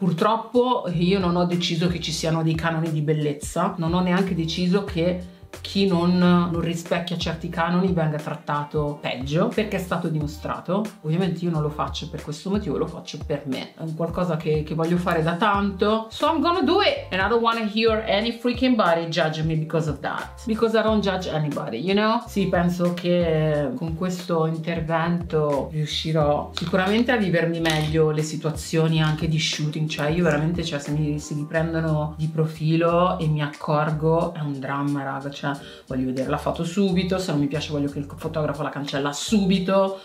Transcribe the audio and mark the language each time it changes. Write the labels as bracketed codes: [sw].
[it] Purtroppo io non ho deciso che ci siano dei canoni di bellezza, non ho neanche deciso che chi non rispecchia certi canoni venga trattato peggio, perché è stato dimostrato. Ovviamente io non lo faccio per questo motivo, lo faccio per me. È un qualcosa che voglio fare da tanto. [en] So I'm gonna do it, and I don't wanna hear any freaking body judge me because of that. Because I don't judge anybody, you know? [it] Sì, penso che con questo intervento riuscirò sicuramente a vivermi meglio le situazioni anche di shooting. Cioè io veramente, cioè se mi prendono di profilo e mi accorgo, è un dramma, raga. Cioè, voglio vedere la foto subito, se non mi piace voglio che il fotografo la cancella subito.